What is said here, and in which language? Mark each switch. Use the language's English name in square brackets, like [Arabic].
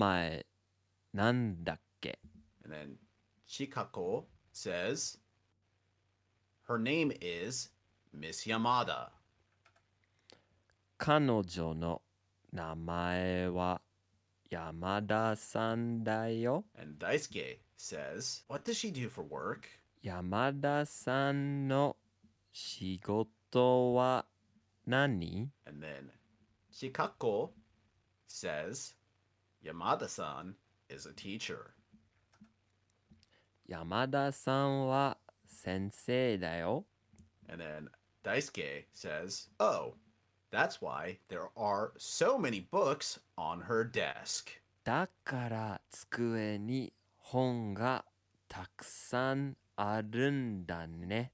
[Japanese] あの人の名前なんだっけ? [English] And then Chikako says, her name is Miss Yamada. [Japanese] 彼女の名前は山田さんだよ? [English] And Daisuke says, what does she do for work? [Japanese] Yamada-san-no-shigoto-wa-nani? [English] And then Chikako says, Yamada-san is a teacher. [Japanese] Yamada-san-wa-sensei-da-yo. [English] And then Daisuke says, oh, That's why there are so many books on her desk. [Japanese] だから机に本がたくさんあるんだね。